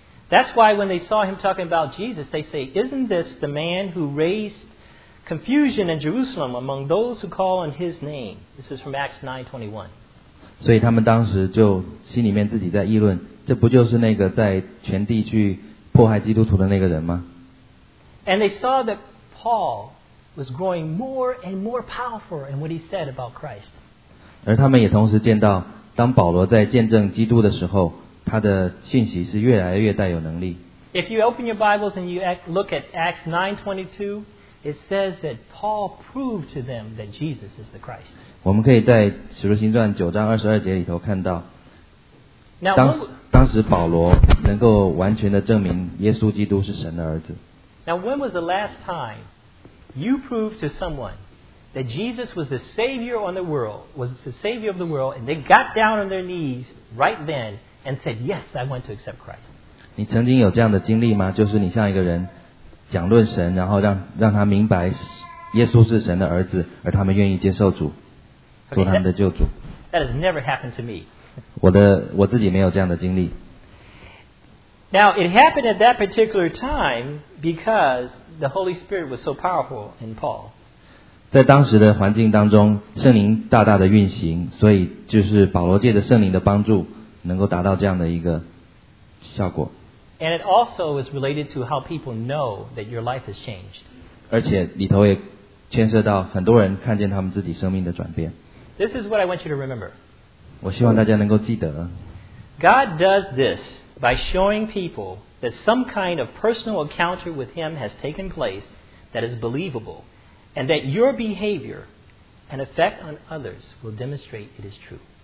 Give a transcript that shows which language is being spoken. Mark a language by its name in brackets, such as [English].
[English] That's why when they saw him talking about Jesus, they say, isn't this the man who raised confusion in Jerusalem among those who call on his name? This is from Acts 9:21. [Chinese] 所以他们当时就心里面自己在议论，这不就是那个在全地去迫害基督徒的那个人吗？ [English] And they saw that Paul was growing more and more powerful in what he said about Christ. [Chinese] 而他们也同时见到，当保罗在见证基督的时候，他的信息是越来越带有能力。 [English] If you open your Bibles and you look at Acts 9:22, it says that Paul proved to them that Jesus is the Christ. [Chinese] 我们可以在《使徒行传》九章二十二节里头看到。 [English] Now, [Chinese] 当时保罗能够完全的证明耶稣基督是神的儿子。 [English] Now when was the last time you proved to someone that Jesus was the Savior on the world, was the Savior of the world, and they got down on their knees right then and said, "Yes, I want to accept Christ." [Chinese] 你曾经有这样的经历吗？就是你向一个人讲论神，然后让他明白耶稣是神的儿子，而他们愿意接受主，做他们的救主。 [English] That has never happened to me. [Chinese] 我自己没有这样的经历。 [English] Now, it happened at that particular time because the Holy Spirit was so powerful in Paul. [Chinese] 在当时的环境当中，圣灵大大的运行，所以就是保罗借着圣灵的帮助，能够达到这样的一个效果。 [English] And it also is related to how people know that your life has changed. [Chinese] 而且里头也牵涉到很多人看见他们自己生命的转变。 [English] This is what I want you to remember. [Chinese] 我希望大家能够记得。 [English] God does this by showing people that some kind of personal encounter with Him has taken place that is believable, and that your behavior and effect on others will demonstrate it is true.